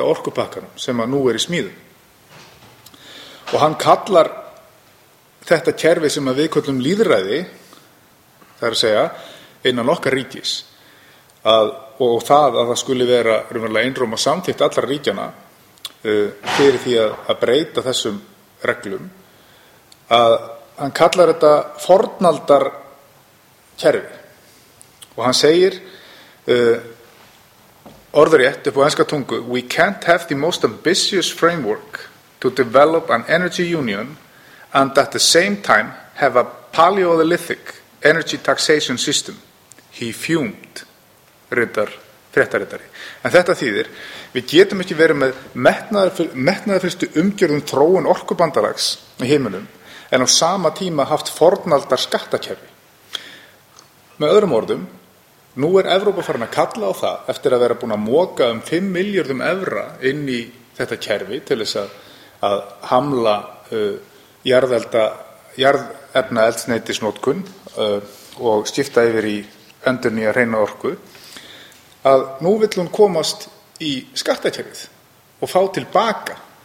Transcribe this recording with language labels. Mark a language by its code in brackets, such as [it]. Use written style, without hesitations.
[is] orkupakkanum sem að nú í smíðum. Og hann kallar þetta kerfi sem að við köllum lýðræði, það að segja, innan okkar ríkis og það að það skuli vera raunverulega einróma samþykkt allra ríkjana fyrir því að breyta þessum reglum, að hann kallar þetta fornaldar kerfi. Og hann segir, orðrétt upp á enska tungu, [en] we can't have the most ambitious framework to develop an energy union and at the same time have a paleolithic energy taxation system. He fumed, [is] ritar fréttaritari. En þetta þýðir, við getum ekki verið með metnaðarfyllstu umgjörðum þróun orkubandalags í heiminum, en á sama tíma haft fornaldar skattakerfi. Með öðrum orðum, nú Evrópa farin að kalla á það eftir að vera búin að moka 5 miljörðum evra inn í þetta kerfi til þess að hamla jarðefna eldsneytisnotkun og skipta yfir í endurnýja hreina orku, að nú vill hún komast í skattakerfið og fá til baka.